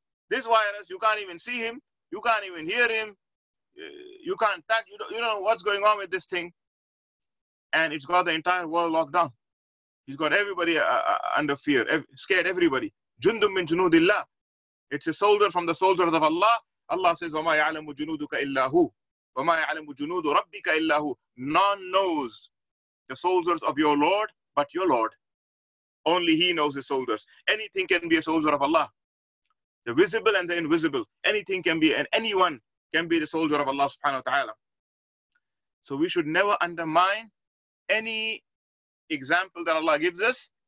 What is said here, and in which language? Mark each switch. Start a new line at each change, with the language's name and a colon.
English: This virus, you can't even see him. You can't even hear him. You can't touch. You don't know what's going on with this thing. And it's got the entire world locked down. He's got everybody under fear, scared everybody.
Arabic: Jundum min junudillah.
English: It's a soldier from the soldiers of Allah. Allah says,
Arabic: وَمَا يَعْلَمُ جُنُودُكَ إِلَّا هُوَ وَمَا يَعْلَمُ جُنُودُ رَبِّكَ إِلَّا هُوَ.
English: None knows the soldiers of your Lord, but your Lord. Only He knows His soldiers. Anything can be a soldier of Allah. The visible and the invisible. Anything can be, and anyone can be the soldier of Allah subhanahu wa ta'ala. So we should never undermine any example that Allah gives us.